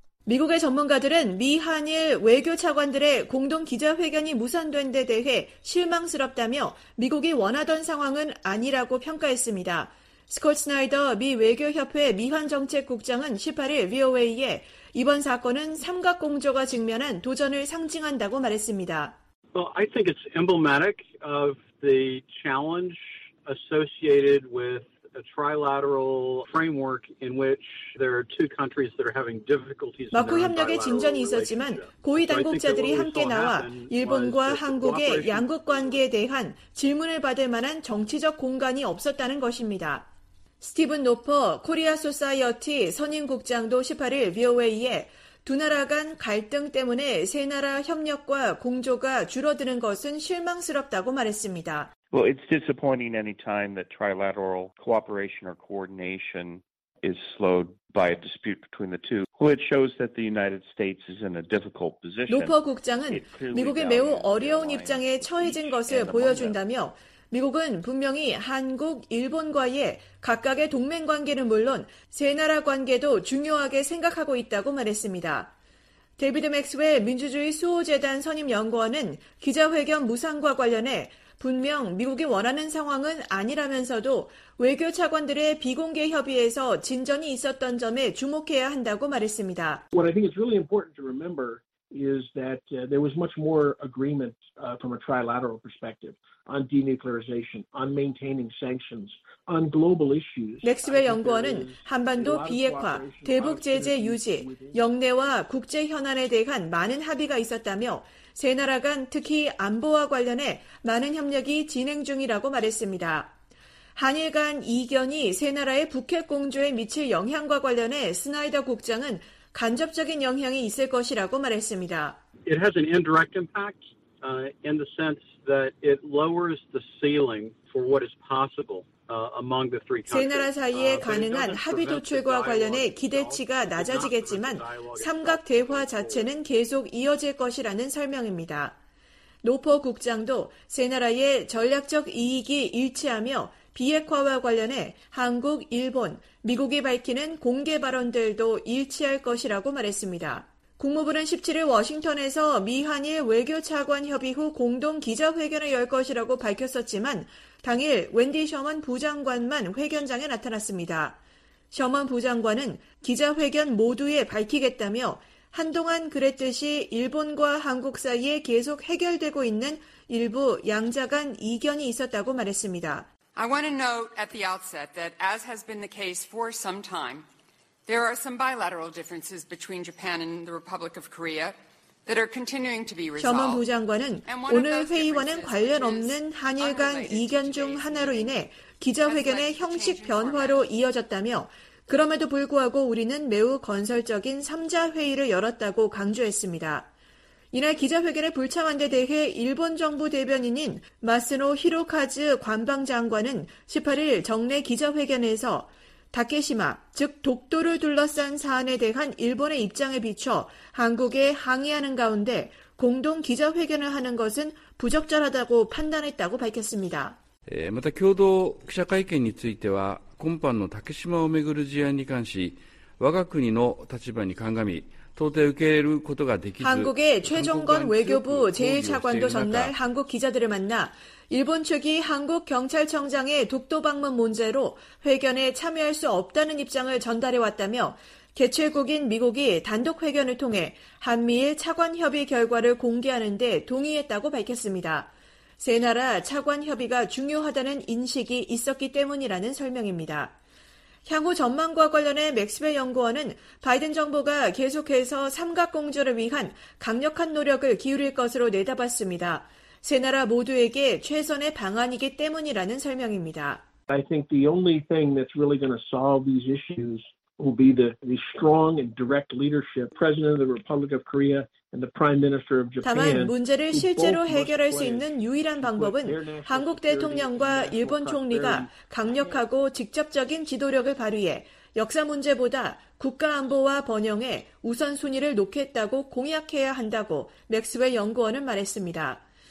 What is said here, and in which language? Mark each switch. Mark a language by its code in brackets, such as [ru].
[ko] 미국의 전문가들은 미한일 외교 차관들의 공동 기자회견이 무산된 데 대해 실망스럽다며 미국이 원하던 상황은 아니라고 평가했습니다. 스콧 스나이더 미 외교협회 미한정책국장은 18일 VOA에 이번 사건은 삼각공조가 직면한 도전을 상징한다고 말했습니다. [en] Well, I think it's emblematic of the challenge associated with a trilateral framework in which there are two countries that are having difficulties. [ko] 마쿠 협력의 진전이 있었지만 고위 당국자들이 함께 나와 일본과 한국의 양국 관계에 대한 질문을 받을 만한 정치적 공간이 없었다는 것입니다. 스티븐 노퍼 코리아 소사이어티 선임 국장도 18일 VOA에 두 나라 간 갈등 때문에 세 나라 협력과 공조가 줄어드는 것은 실망스럽다고 말했습니다. [en] Well, it's disappointing any time that trilateral cooperation or coordination is slowed by a dispute between the two. Well, it shows that the United States is in a difficult position. [ko] 노퍼 국장은 미국이 매우 어려운 입장에 처해진 것을 보여준다며 미국은 분명히 한국, 일본과의 각각의 동맹 관계는 물론 세 나라 관계도 중요하게 생각하고 있다고 말했습니다. 데이비드 맥스웰 민주주의 수호재단 선임 연구원은 기자회견 무산과 관련해 분명 미국이 원하는 상황은 아니라면서도 외교 차관들의 비공개 협의에서 진전이 있었던 점에 주목해야 한다고 말했습니다. [en] What I think is really important to remember is that there was much more agreement from a trilateral perspective on denuclearization, on maintaining sanctions, on global issues. [ko] 맥스웰 연구원은 한반도 비핵화, 대북 제재 유지, 영내와 국제 현안에 대한 많은 합의가 있었다며 세 나라 간 특히 안보와 관련해 많은 협력이 진행 중이라고 말했습니다. 한일 간 이견이 세 나라의 북핵 공조에 미칠 영향과 관련해 스나이더 국장은 간접적인 영향이 있을 것이라고 말했습니다. [en] It has an indirect impact in the sense that it lowers the ceiling for what is possible. [ko] 세 나라 사이에 가능한 합의 도출과 관련해 기대치가 낮아지겠지만 삼각 대화 자체는 계속 이어질 것이라는 설명입니다. 노퍼 국장도 세 나라의 전략적 이익이 일치하며 비핵화와 관련해 한국, 일본, 미국이 밝히는 공개 발언들도 일치할 것이라고 말했습니다. 국무부는 17일 워싱턴에서 미한일 외교차관 협의 후 공동 기자회견을 열 것이라고 밝혔었지만 당일 웬디 셔먼 부장관만 회견장에 나타났습니다. 셔먼 부장관은 기자회견 모두에 밝히겠다며 한동안 그랬듯이 일본과 한국 사이에 계속 해결되고 있는 일부 양자 간 이견이 있었다고 말했습니다. [en] I want to note at the outset that as has been the case for some time, there are some bilateral differences between Japan and the Republic of Korea that are continuing to be resolved. [ko] 셔먼 부장관은 오늘 회의와는 관련 없는 한일 간 이견 중 하나로 인해 기자회견의 형식 변화로 이어졌다며 그럼에도 불구하고 우리는 매우 건설적인 3자 회의를 열었다고 강조했습니다. 이날 기자회견에 불참한 데 대해 일본 정부 대변인인 마스노 히로카즈 관방장관은 18일 정례 기자회견에서 다케시마, 즉 독도를 둘러싼 사안에 대한 일본의 입장에 비춰 한국에 항의하는 가운데 공동 기자회견을 하는 것은 부적절하다고 판단했다고 밝혔습니다. 또 공동 기자회견 [ja] については 今般の竹島をめぐる事案に関し我が国の立場に鑑み到底受け入れることができず [ko] 한국의 최종건 외교부 제1차관도 전날 한국 기자들을 만나 일본 측이 한국 경찰청장의 독도 방문 문제로 회견에 참여할 수 없다는 입장을 전달해왔다며 개최국인 미국이 단독 회견을 통해 한미일 차관협의 결과를 공개하는 데 동의했다고 밝혔습니다. 세 나라 차관 협의가 중요하다는 인식이 있었기 때문이라는 설명입니다. 향후 전망과 관련해 맥스웰 연구원은 바이든 정부가 계속해서 삼각공조를 위한 강력한 노력을 기울일 것으로 내다봤습니다. 세 나라 모두에게 최선의 방안이기 때문이라는 설명입니다. [en] I think the only thing that's really going to solve these issues will be the strong and direct leadership president of the Republic of Korea and the prime minister of Japan. [ko] 다만 문제를 실제로 해결할 수 있는 유일한 방법은 한국 대통령과 일본 총리가 강력하고 직접적인 지도력을 발휘해 역사 문제보다 국가 안보와 번영에 우선순위를 놓겠다고 공약해야 한다고 맥스웰 연구원은 말했습니다.